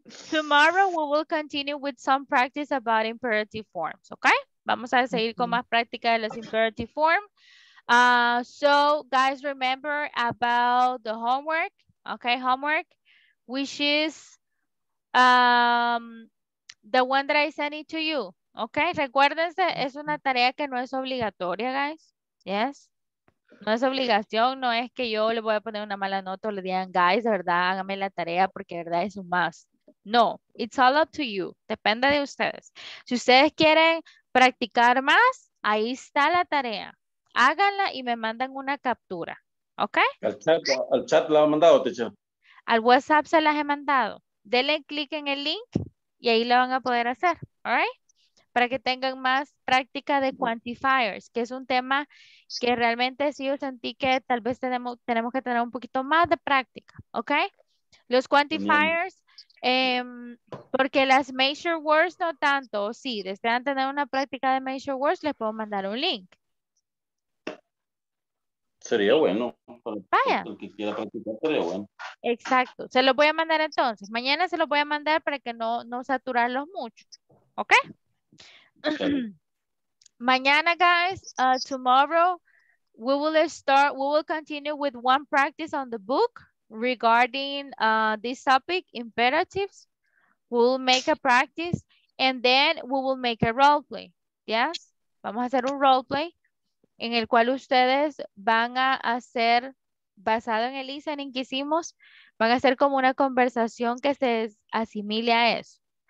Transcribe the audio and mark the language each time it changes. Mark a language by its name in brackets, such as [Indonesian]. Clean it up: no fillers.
[English] Tomorrow we will continue with some practice about imperative forms, okay? [Spanish] Vamos a seguir con más práctica de los imperative forms. [English] So, guys, remember about the homework, okay? Homework, which is the one that I sent it to you, okay? [Spanish] Recuérdense, es una tarea que no es obligatoria, guys. Yes? No es obligación, no es que yo le voy a poner una mala nota o le digan, guys, de verdad, hágame la tarea porque de verdad es un must. No, it's all up to you. Depende de ustedes. Si ustedes quieren practicar más, ahí está la tarea. Háganla y me mandan una captura. ¿Ok? Al chat la ha mandado, teacher. Al WhatsApp se las he mandado. Denle clic en el link y ahí la van a poder hacer. ¿All right? Para que tengan más práctica de quantifiers, que es un tema que realmente sí yo sentí que tal vez tenemos que tener un poquito más de práctica. ¿Ok? Los quantifiers... Bien. Porque las major words no tanto, sí, desean tener una práctica de major words, les puedo mandar un link. Sería bueno. Vaya. El que quiera practicar sería bueno. Exacto. Se lo voy a mandar entonces. Mañana se lo voy a mandar para que no saturarlos mucho. ¿Ok? Sí. [English] Mañana, guys, tomorrow, we will continue with one practice on the book. Regarding this topic, imperatives, we'll make a practice and then we will make a role play. [Spanish] Yes, vamos a hacer un role play en el cual ustedes van a hacer, basado en el listening que hicimos, van a hacer como una conversación que se asimile a eso.